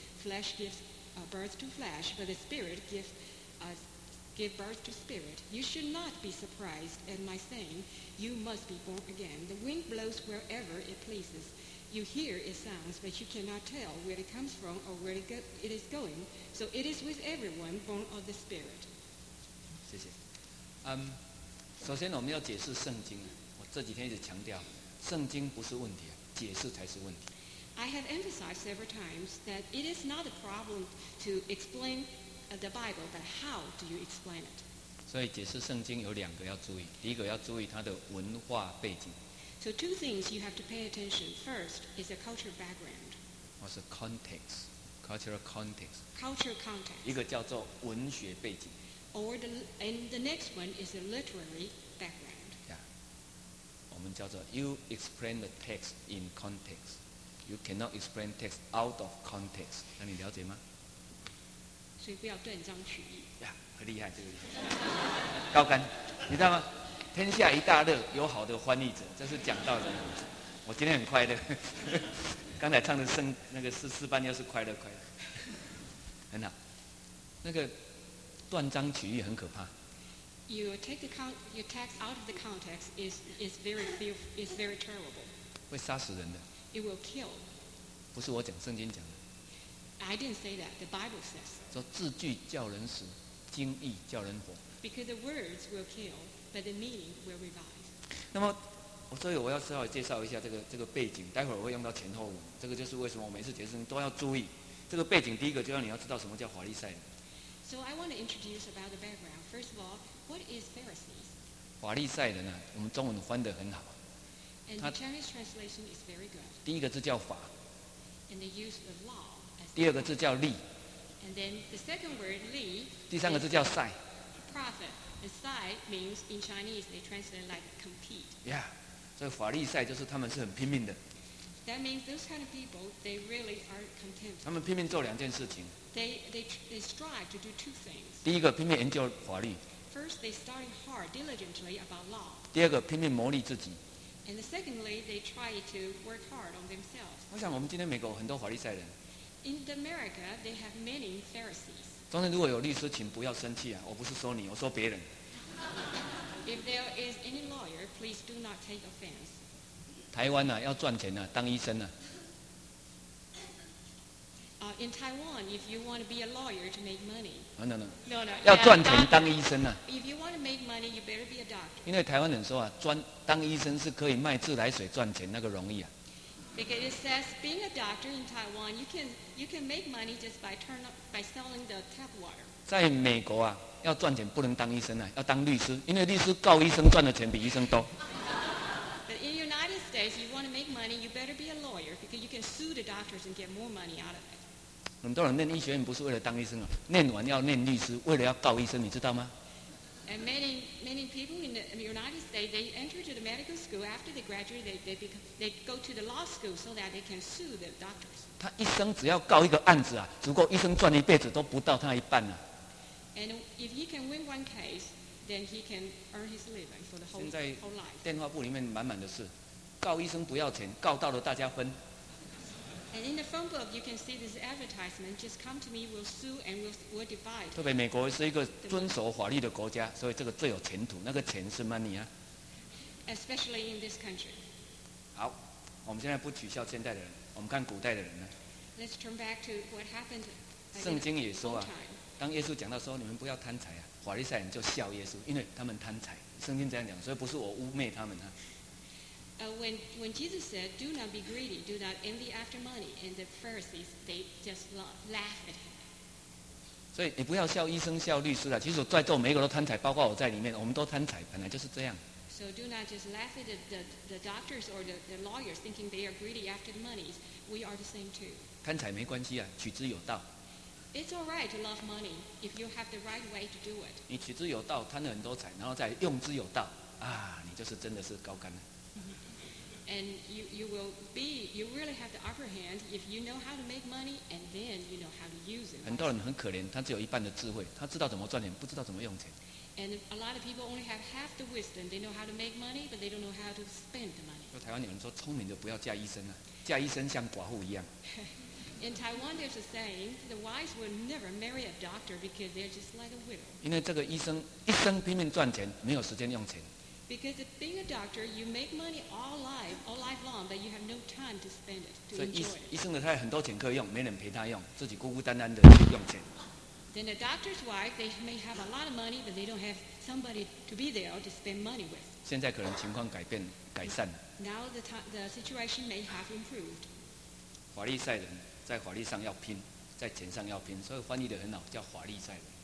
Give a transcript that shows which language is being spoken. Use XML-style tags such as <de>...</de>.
<en>Flesh gives birth to flesh, but the Spirit gives birth to spirit. You should not be surprised at my saying, you must be born again. The wind blows wherever it pleases. You hear its sounds, but you cannot tell where it comes from or where it is going. So it is with everyone born of the Spirit."</en> <zh>谢谢。首先我们要解释圣经，我这几天一直强调圣经不是问题，解释才是问题。</zh> <en>I have emphasized several times that it is not a problem to explain the Bible, but how do you explain it?</en> <zh>所以解释圣经有两个要注意，第一个要注意它的文化背景。</zh> <en>So two things you have to pay attention. First is the cultural background.</en> <zh>或是</zh> <en>context, cultural context. Cultural context.</en> <zh>一个叫做文学背景。</zh> <en>Or the, and the next one is a literary background. Yeah.</en> <zh>我们叫做</zh> <en>you explain the text in context. You cannot explain text out of context.</en> <zh>那你了解吗？所以不要断章取义。 Yeah, 很厉害，这个厉害。高干，你知道吗？天下一大乐，有好的翻译者，这是讲道理。我今天很快乐。刚才唱的圣那个诗班又是快乐快乐。很好。那个断章取义很可怕。</zh> <en>You take the your text out of the context is very fearful, is very terrible.</en> <zh>会杀死人的。</zh> <en>It will kill.</en> <zh>不是我讲，圣经讲的。</zh> <en>I didn't say that. The Bible says.</en> <zh>说字句叫人死，经意叫人活。</zh> <en>Because the words will kill, but the meaning will revive.</en> <zh>那么，所以我要稍微介绍一下这个背景，待会儿我会用到前后文。这个就是为什么我每次解释都要注意这个背景。第一个就要你要知道什么叫法利赛人。</zh> <en>So I want to introduce about the background. First of all, what is Pharisees?</en> <zh>法利赛人啊，我们中文翻得很好。</zh> <en>And the Chinese translation is very good.</en> <zh>第一个字叫法。</zh> <en>And they use the law.</en> <zh>第二个字叫利。</zh> <en>And then the second word, 利。</en> <zh>第三个字叫赛。</zh> <en>Prophet. And 赛 means in Chinese, they translate like compete. Yeah.</en> <zh>所以法利赛就是他们是很拼命的。</zh> <en>That means those kind of people, they really are content.</en> <zh>他们拼命做两件事情。</zh> <en>They strive to do two things.</en> <zh>第一个拼命研究法律。</zh> <en>First, they study hard diligently about law.</en> <zh>第二个拼命磨砺自己。</zh> <en>And secondly, they try to work hard on themselves.</en> <zh>我想我们今天美国很多法利赛人。</zh> <en>In America, they have many Pharisees.</en> <zh>中间如果有律师，请不要生气啊！我不是说你，我说别人。</zh> <en>If there is any lawyer, please do not take offense.</en> <zh>台湾呐，要赚钱呐，当医生呐。</zh> <en>In Taiwan, if you want to be a lawyer to make money, No.</en> <zh>要赚钱当医生啊。</zh> <en>If you want to make money, you better be a doctor.</en> <zh>因为台湾人说啊，当医生是可以卖自来水赚钱，那个容易啊。</zh> <en>Because it says being a doctor in Taiwan, you can make money just by selling the tap water.</en> <zh>在美国啊，要赚钱不能当医生啊，要当律师，因为律师告医生赚的钱比医生多。</zh> <en>But in the United States, if you want to make money, you better be a lawyer because you can sue the doctors and get more money out of it.</en> <zh>很多人念医学院不是为了当医生啊，念完要念律师，为了要告医生，你知道吗？</zh> <en>And many people in the United States, they enter to the medical school after they graduate, they go to the law school so that they can sue the doctors.</en> <zh>他一生只要告一个案子啊，足够医生赚一辈子都不到他一半啊。</zh> <en>And if he can win one case, then he can earn his living for the whole life. 现</en> <zh>在电话簿里面满满的是，告医生不要钱，告到了大家分。</zh> <en>And in the phone book, you can see this advertisement. Just come to me, we'll sue and we'll divide.</en> <zh>特别美国是一个遵守法律的国家，所以这个最有前途。那个钱是 money 啊。</zh> <en>Especially in this country.</en> <zh>好，我们现在不取笑现代的人，我们看古代的人呢。</zh> <en>Let's turn back to what happened.</en> <zh>圣经也说啊，当耶稣讲到说你们不要贪财啊，法利赛人就笑耶稣，因为他们贪财。圣经这样讲，所以不是我污蔑他们啊。</zh> <en>When Jesus said, "Do not be greedy, do not envy after money," and the Pharisees they just laugh at him.</en> <zh>所以你不要笑医生、笑律师了。其实在座每一个都贪财，包括我在里面，我们都贪财，本来就是这样。</zh> <en>So do not just laugh at the doctors or the lawyers, thinking they are greedy after the money. We are the same too.</en> <zh>贪财没关系啊，取之有道。</zh> <en>It's all right to love money if you have the right way to do it.</en> <zh>你取之有道，贪了很多财，然后再用之有道，啊，你就是真的是高干了。</zh> <en>And you really have the upper hand if you know how to make money and then you know how to use it.</en> <zh>很多人很可怜，他只有一半的智慧，他知道怎么赚钱，不知道怎么用钱。</zh> <en>And a lot of people only have half the wisdom. They know how to make money, but they don't know how to spend the money.</en> <zh>台湾有人说，聪明的不要嫁医生啊，嫁医生像寡妇一样。</zh> <en>In Taiwan, there's a saying: the wise will never marry a doctor because they're just like a widow.</en> <zh>因为这个医生一生拼命赚钱，没有时间用钱。</zh> <en>Because of being a doctor, you make money all life long, but you have no time to spend it, to enjoy it.</en> <zh>所以医生的太太很多钱可以用，没人陪她用，自己孤孤单单的用钱。</zh> <en>Then a doctor's wife, they may have a lot of money, but they don't have somebody to be there or to spend money with.</en> <zh>现在可能情况改变，改善了。</zh> <en>Now the situation may have improved.</en> <zh>法利赛人在法律上要拼，在钱上要拼，所以翻译得很好，叫法利赛人。</zh>